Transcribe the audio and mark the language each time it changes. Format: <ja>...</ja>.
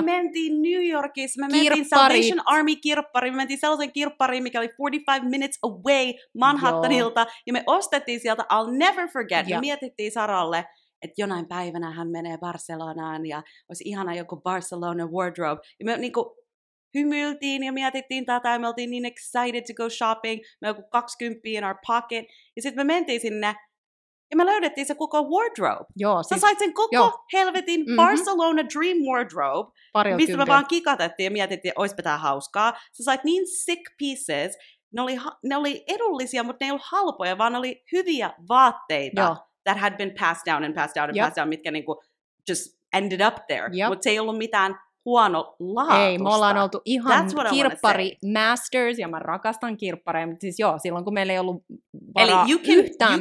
<fi>Mutta mekin mentiin New Yorkissa, me mentiin Salvation Army kirppariin, me mentiin sellaisen kirppariin, mikä oli</fi> <en>45 minutes away</en> <fi>Manhattanilta, joo, ja me ostettiin sieltä,</fi> <en>I'll never forget,</en> <fi>ja me mietittiin Saralle, että jonain päivänä hän menee Barcelonaan, ja olisi ihana joku Barcelona wardrobe, ja me niinku hymyiltiin ja mietittiin tätä, ja me oltiin niin</fi> <en>excited to go shopping,</en> <fi>me joku</fi> <en>20 in our pocket,</en> <fi>ja sitten me mentiin sinne, ja me löydettiin se koko wardrobe. Joo, sä sait sen koko helvetin Barcelona Dream Wardrobe, mistä me vaan kikatettiin ja mietittiin, että olisipa tämä hauskaa. Sä sait niin sick pieces. Ne oli edullisia, mutta ne ei ollut halpoja, vaan ne oli hyviä vaatteita. Joo.</fi> <en>That had been passed down and passed down and passed down,</en> <fi>mitkä niinku</fi> <en>just ended up there. Yep.</en> <fi>Mutta se ei ollut mitään huono laatusta. Ei, me ollaan oltu ihan kirppari masters, ja mä rakastan kirppareja, mutta siis joo, silloin kun meillä ei ollut varaa yhtään</fi>